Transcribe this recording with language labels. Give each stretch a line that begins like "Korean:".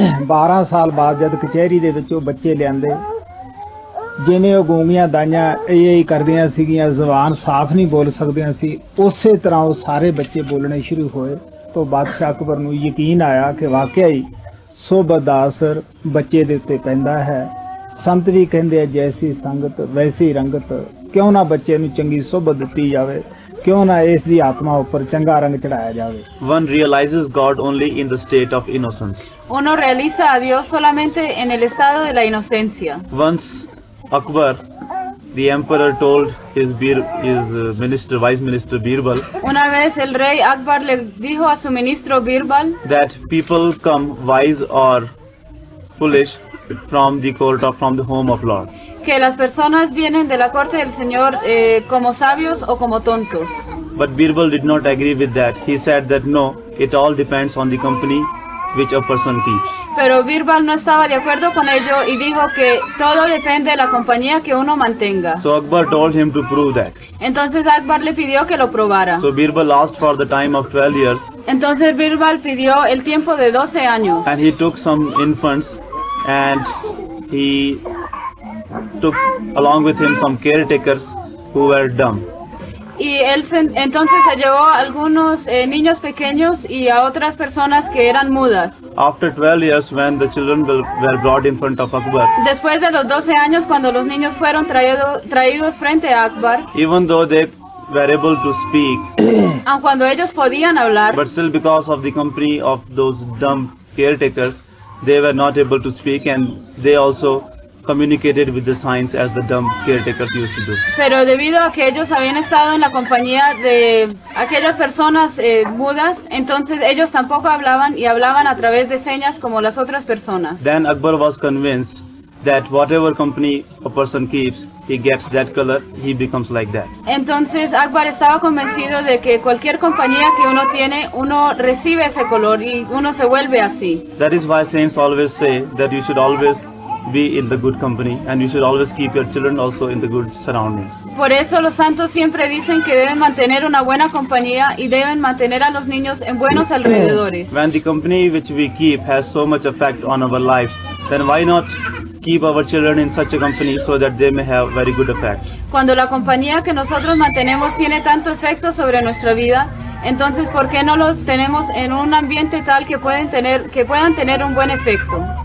Punjabi: 12 ਸਾਲ ਬਾਅਦ ਜਦ ਕਚਹਿਰੀ ਦੇ ਵਿੱਚ ਉਹ ਬੱਚੇ ਲਿਆਂਦੇ ਜਿਵੇਂ ਉਹ ਗੂੰਗੀਆਂ ਦਾਈਆਂ ਇਹ ਕਰਦੀਆਂ ਸੀਗੀਆਂ ਜ਼ਬਾਨ ਸਾਫ਼ ਨਹੀਂ ਬੋਲ ਸਕਦੀਆਂ ਸੀ ਉਸੇ ਤਰ੍ਹਾਂ ਉਹ ਸਾਰੇ ਬੱਚੇ ਬੋਲਣੇ ਸ਼ੁਰੂ ਹੋਏ ਤਾਂ ਬਾਦਸ਼ਾਹ ਅਕਬਰ ਨੂੰ ਯਕੀਨ ਆਇਆ ਕਿ ਵਾਕਿਆ ਹੀ ਸੋਭਾ ਦਾ ਅਸਰ ਬੱਚੇ ਦੇ ਉੱਤੇ ਪੈਂਦਾ ਹੈ ਸੰਤ ਵੀ ਕਹਿੰਦੇ ਆ ਜੈਸੀ ਸੰਗਤ ਵੈਸੀ ਰੰਗਤ ਕਿਉਂ ਨਾ ਬੱਚੇ ਨੂੰ ਚੰਗੀ ਸੋਭਾ ਦਿੱਤੀ ਜਾਵੇ ਕਿਉਂ ਨਾ ਇਸ ਦੀ ਆਤਮਾ ਉੱਪਰ ਚੰਗਾ ਰੰਗ ਚੜਾਇਆ ਜਾਵੇ
English: One realizes God only in the state of innocence.
Spanish: Uno realiza a Dios solamente en el estado de la inocencia.
English: Once Akbar, the emperor told his vice minister Birbal.
Spanish: Una vez el rey Akbar le dijo a su ministro Birbal
English: that people come wise or foolish from the home of Lord.
Spanish: Que las personas vienen de la corte del Señor como sabios o como tontos.
English: But Birbal did not agree with that. He said that no, it all depends on the company which a person keeps.
Spanish: Pero Birbal no estaba de acuerdo con ello y dijo que todo depende de la compañía que uno mantenga.
English: So Akbar told him to prove that.
Spanish: Entonces Akbar le pidió que lo probara.
English: So Birbal asked for the time of 12 years.
Spanish: Entonces Birbal pidió el tiempo de 12 años.
English: And he took some infants and he took along with him some caretakers who were dumb.
Spanish: Y él entonces se llevó algunos niños pequeños y a otras personas que eran mudas.
English: After 12 years when the children were brought in front of Akbar.
Spanish: Después de los 12 años cuando los niños fueron traídos frente a Akbar.
English: Even though they were able to speak.
Spanish: Aun cuando ellos podían hablar.
English: But still because of the company of those dumb caretakers they were not able to speak and they also communicated with the signs as the dumb caretakers used to do.
Spanish: Pero debido a que ellos habían estado en la compañía de aquellas personas mudas, entonces ellos tampoco hablaban y hablaban a través de señas como las otras personas.
English: Then Akbar was convinced that whatever company a person keeps, he gets that color, he becomes like that.
Spanish: Entonces Akbar estaba convencido de que cualquier compañía que uno tiene, uno recibe ese color y uno se vuelve así.
English: That is why saints always say that you should always be in the good company and you should always keep your children also in the good surroundings.
Spanish: Por eso los santos siempre dicen que deben mantener una buena compañía y deben mantener a los niños en buenos alrededores.
English: When the company which we keep has so much effect on our lives, then why not keep our children in such a company so that they may have very good effect?
Spanish: Cuando la compañía que nosotros mantenemos tiene tanto efecto sobre nuestra vida, entonces ¿por qué no los tenemos en un ambiente tal que puedan tener un buen efecto?